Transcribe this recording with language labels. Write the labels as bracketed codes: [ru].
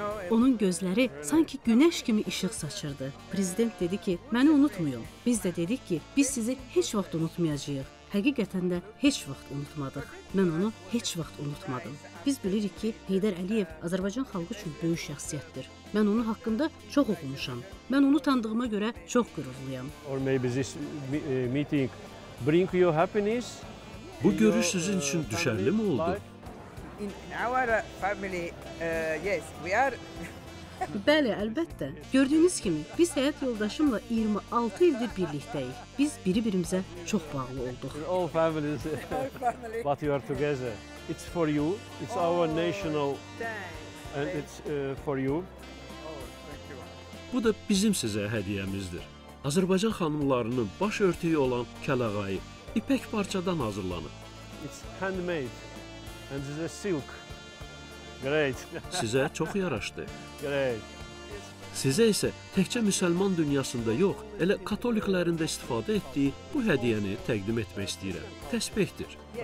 [az] Onun gözləri sanki günəş kimi işıq saçırdı. Prezident dedi ki, məni unutmayın. Biz də dedik ki, biz sizi heç vaxt unutmayacağıq. Həqiqətən də heç vaxt unutmadıq. Mən onu heç vaxt unutmadım. Biz bilirik ki, Heydər Əliyev Azərbaycan xalqı üçün böyük şəxsiyyətdir. Mən onun haqqında çox oxumuşam. Mən onu tanıdığıma görə çox qürurluyam. [en] Or maybe this meeting bring you happiness? [az] Bu görüş sizin üçün düşərli mi oldu? [en] In our family, yes, we are... [az] Bəli, əlbəttə. Gördüyünüz kimi, biz həyat yoldaşımla 26 ildir birlikdəyik. Biz bir-birimizə çox bağlı olduq. [en] All families, but you are together. It's for you, it's our national, and it's for you. [az] Bu da bizim sizə hədiyəmizdir. Azərbaycan xanımlarının baş örtüyü olan kələğayı ipək parçadan hazırlanıb. [en] It's handmade, and it's a silk. Great. [az] Sizə çox yaraşdı. [en] Great. [az] Sizə isə təkcə müsəlman dünyasında yox, elə katoliklərin də istifadə etdiyi bu hədiyyəni təqdim etmək istəyirəm. Təsbehdir.